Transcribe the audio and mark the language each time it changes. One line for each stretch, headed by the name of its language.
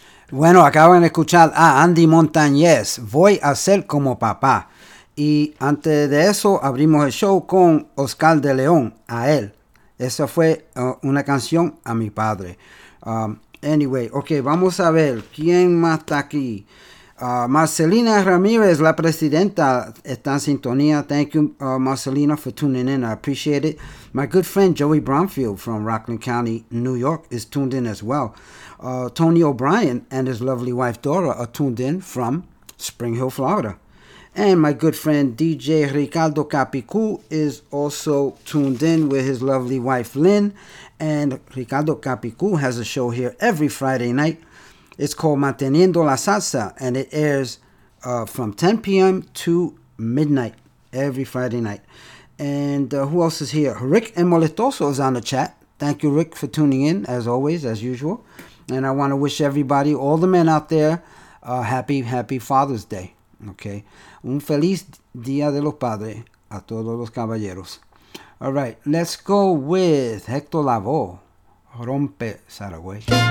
Spanish: Bueno, acaban de escuchar a Andy Montañez, Voy a ser como papá. Y antes de eso, abrimos el show con Oscar de León, A él. Esa fue una canción a mi padre.
English: Anyway,
Spanish: ok, vamos a ver quién más está aquí. Marcelina Ramírez, la presidenta, está en sintonía.
English: Thank you, Marcelina, for tuning in. I appreciate it. My good friend Joey Bromfield from Rockland County, New York, is tuned in as well. Tony O'Brien and his lovely wife Dora are tuned in from Spring Hill, Florida. And my good friend DJ Ricardo Capicu is also tuned in with his lovely wife Lynn. And Ricardo Capicu has a show here every Friday night. It's called Manteniendo la Salsa, and it airs from 10 p.m. to midnight. every Friday night. And who else is here? Rick and Molitoso is on the chat. Thank you, Rick, for tuning in, as always, as usual. And I want to wish everybody, all the men out there, a happy Father's Day. Okay.
Spanish: Un feliz Día de los Padres a todos los caballeros.
English: All right. Let's go with Hector Lavoe. Rompe Saragüey.